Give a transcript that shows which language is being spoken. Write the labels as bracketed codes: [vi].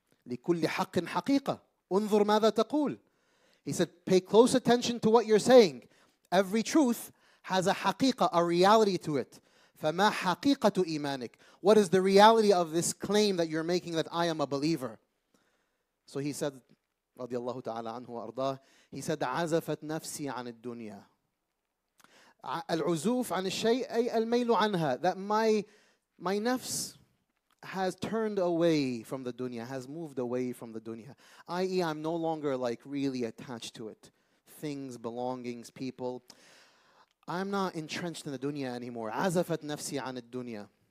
[ar] لكل حق حقيقة. انظر ماذا تقول. [en] He said, pay close attention to what you're saying. Every truth has a حقيقة, a reality to it. [ar] فَمَا حَقِيقَةُ إِيمَانِكَ? [en] What is the reality of this claim that you're making that I am a believer? So he said, [ar] رضي الله تعالى عنه وأرضاه, [en] he said, [ar] عَزَفَتْ نَفْسِي عَنِ الدُّنْيَا. العزوف عن الشيء أي الميل عنها. [en] That my nafs has turned away from the dunya, has moved away from the dunya. I.e. I'm no longer like really attached to it. Things, belongings, people. I'm not entrenched in the dunya anymore. [ar] عَزَفَتْ نَفْسِي عَنِ الدُّنْيَا.